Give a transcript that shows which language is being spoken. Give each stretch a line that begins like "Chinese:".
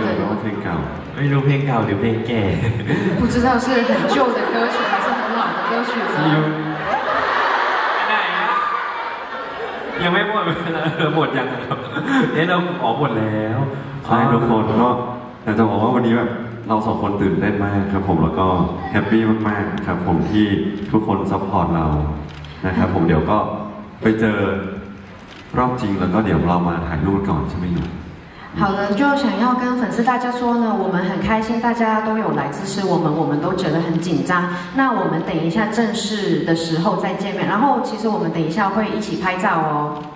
Chinese: 老歌偏高，没入偏高就偏假。不知道是很旧的歌曲还是很老的歌曲呢？有。
Thai: ยังไม่หมดหมดยังครับเอ๊ะเราออกหมดแล้วใช่ทุกคนก็แต่จะบอกว่าวันนี้แบบเราสองคนตื่นเต้นมากครับผมแล้วก็แฮปปี้มากๆครับผมที่ทุกคนซัพพอร์ตเรานะครับผมเดี๋ยวก็ไปเจอรอบจริงแล้วก็เดี๋ยวเรามาถ่ายรูปก่อนใช่ไหมอยู่
Chinese: 好了，就想要跟粉丝大家说呢，我们很开心大家都有来支持我们，我们都觉得很紧张。那我们等一下正式的时候再见面，然后其实我们等一下会一起拍照哦。